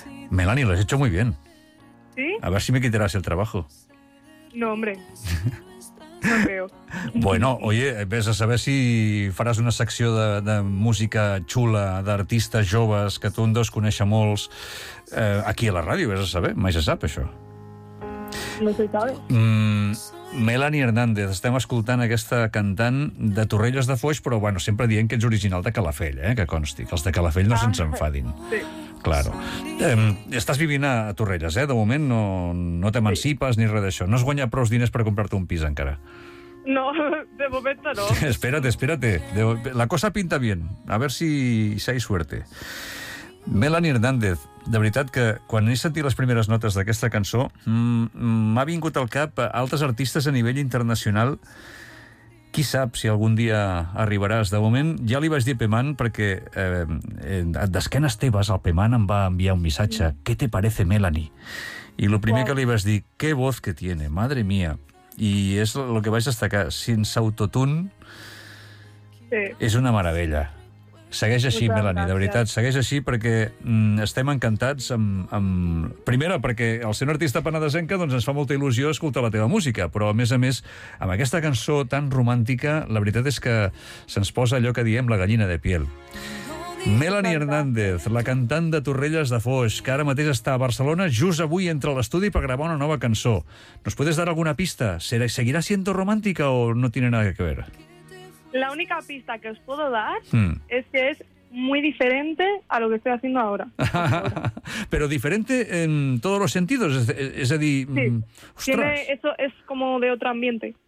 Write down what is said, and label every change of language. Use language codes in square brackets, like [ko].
[es] Melanie, lo has hecho muy bien. ¿Sí? A ver si me quitarás el trabajo. No, hombre. No creo. [ca] Bueno, oye, ves a saber si faràs una secció de música xula, d'artistes joves, que tu en dos coneixes molts, aquí a la ràdio, ves a saber, mai se sap, això. No sé, Melanie Hernández, estem escoltant aquesta cantant de Torrelles de Foix, però bueno, sempre dient que ets original de Calafell, que consti, que els de Calafell no se'ns enfadin. Sí. [es] Claro. [ca] Estàs vivint a Torrelles, de moment no t'emancipes ni res d'això. No has guanyat prou diners per comprar-te un pis encara. No, de moment no. [es] Espérate. La cosa pinta bien. A ver si hay suerte. [ca] Melanie Hernández, de veritat que quan he sentit les primeres notes d'aquesta cançó m'ha vingut al cap altres artistes a nivell internacional. Qui sap si algun dia arribaràs. De moment, ja li vaig dir a Pemán, perquè d'esquenes teves el Pemán em va enviar un missatge: [es] ¿Qué te parece Melanie? [ca] I el primer que li vaig dir: [es] ¿Qué voz que tiene? Madre mía. [ca] I és el que vaig destacar, sense autotune és una meravella. Segueix així, Melanie, de veritat, segueix així, perquè estem encantats amb... Primera, perquè el ser un artista penedesenca, doncs ens fa molta il·lusió escoltar la teva música, però a més, amb aquesta cançó tan romàntica, la veritat és que se'ns posa allò que diem [es] la gallina de piel. [ca] Melanie Hernández, la cantant de Torrelles de Foix, que ara mateix està a Barcelona, just avui entra a l'estudi per gravar una nova cançó. [es] ¿Nos puedes dar alguna pista? ¿Seguirá siendo romántica o no tiene nada que ver? La única pista que os puedo dar es que es muy diferente a lo que estoy haciendo ahora. Pero diferente en todos los sentidos, es decir... Sí, eso es como de otro ambiente.